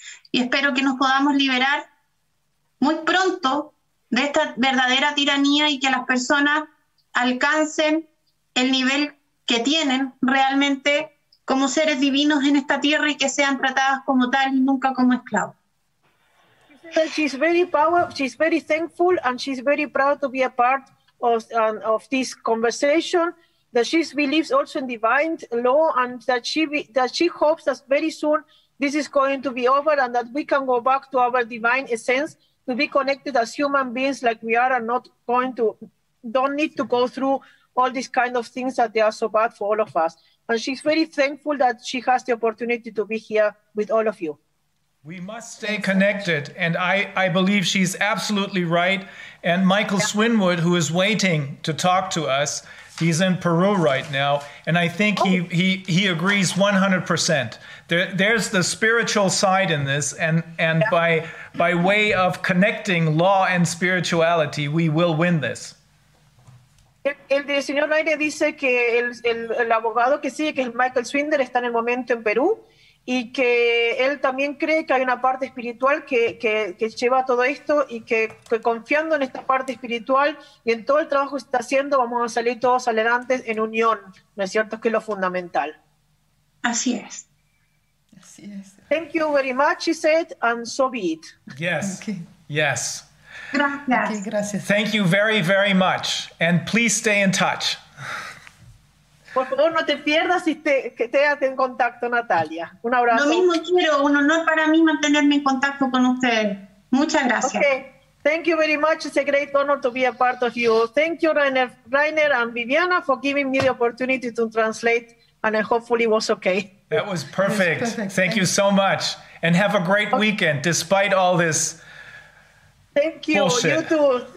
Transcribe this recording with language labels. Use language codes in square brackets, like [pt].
[es] Y espero que nos podamos liberar muy pronto de esta verdadera tiranía y que las personas alcancen el nivel que tienen realmente como seres divinos en esta tierra y que sean tratadas como tal y nunca como esclavos. [en] She's very proud, she's very thankful, and she's very proud to be a part of this conversation, that she believes also in divine law, and that she hopes that very soon this is going to be over and that we can go back to our divine essence, to be connected as human beings like we are, and not going to, don't need to go through all these kind of things that they are so bad for all of us. And she's very thankful that she has the opportunity to be here with all of you. We must stay connected. And I believe she's absolutely right. And Michael Swinwood, who is waiting to talk to us, He's in Peru right now, and I think he agrees 100%. There's the spiritual side in this, and yeah. by way of connecting law and spirituality, we will win this. [es] El de señor Naire dice que el abogado que sigue, que es Michael Swindler, está en el momento en Perú, y que él también cree que hay una parte espiritual que lleva todo esto, y que confiando en esta parte espiritual y en todo el trabajo que está haciendo, vamos a salir todos adelante en unión, ¿no es cierto? Que es lo fundamental. Así es. Así es. [en] Thank you very much, he said, and so be it. Yes, okay. Yes. [es] Gracias. Okay, gracias. [en] Thank you very, very much, and please stay in touch. [es] Por favor, no te pierdas y quédate en contacto, Natalia. Un abrazo. Lo mismo quiero, un honor para mí mantenerme en contacto con usted. Muchas gracias. [en] Okay. Thank you very much. It's a great honor to be a part of you. Thank you, Rainer and Viviana, for giving me the opportunity to translate, and I hopefully was okay. That was perfect. Thank you so much. And have a great weekend, despite all this bullshit. Thank you. You too.